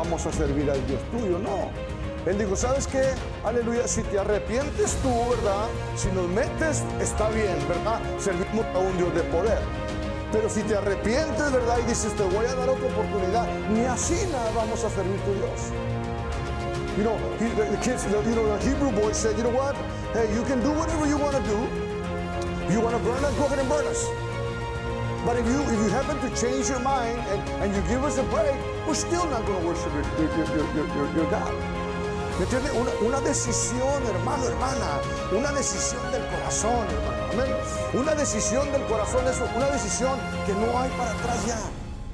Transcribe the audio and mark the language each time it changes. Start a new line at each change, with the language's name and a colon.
Spanish: Vamos a servir al Dios tuyo. No. Él dijo, ¿sabes qué? Aleluya. Si te arrepientes tú, ¿verdad? Si nos metes, está bien, ¿verdad? Servimos a un Dios de poder. Pero si te arrepientes, ¿verdad? Y dices, te voy a dar otra oportunidad, ni así nada vamos a servir tu Dios.
English: You know, the Hebrew boy said, you know what? Hey, you can do whatever you want to do. You want to burn us? Go ahead and burn us. But if you happen to change your mind and you give us a break, we're still not going to worship your God.
Spanish: ¿Me entiendes? Una decisión, hermano, hermana. Una decisión del corazón, hermano. Amén. Una decisión del corazón, eso. Una decisión que no hay para atrás ya.